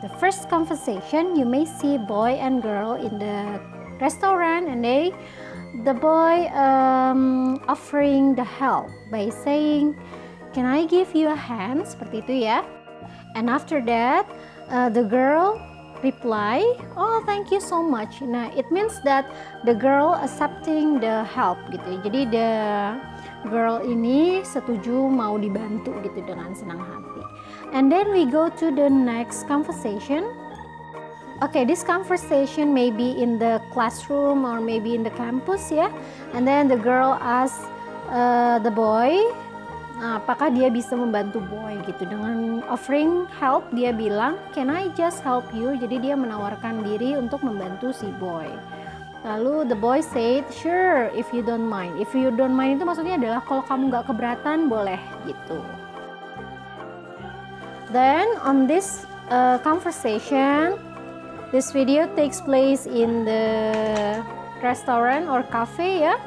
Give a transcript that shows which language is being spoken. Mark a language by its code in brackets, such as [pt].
[en] The first conversation, you may see boy and girl in the restaurant and the boy offering the help by saying, "Can I give you a hand?" [id] Seperti itu ya. [en] And after that, the girl reply, "Oh, thank you so much." Nah, it means that the girl accepting the help gitu. [id] Jadi the girl ini setuju mau dibantu gitu dengan senang hati. [en] And then we go to the next conversation. Okay, this conversation may be in the classroom or maybe in the campus ya. And then the girl ask the boy, [id] apakah dia bisa membantu boy gitu dengan offering help. Dia bilang, [en] "Can I just help you?" [id] Jadi dia menawarkan diri untuk membantu si boy. [en] Lalu the boy said, "Sure, if you don't mind." If you don't mind [id] itu maksudnya adalah kalau kamu gak keberatan, boleh gitu. [en] Then on this conversation, this video takes place in the restaurant or cafe ya.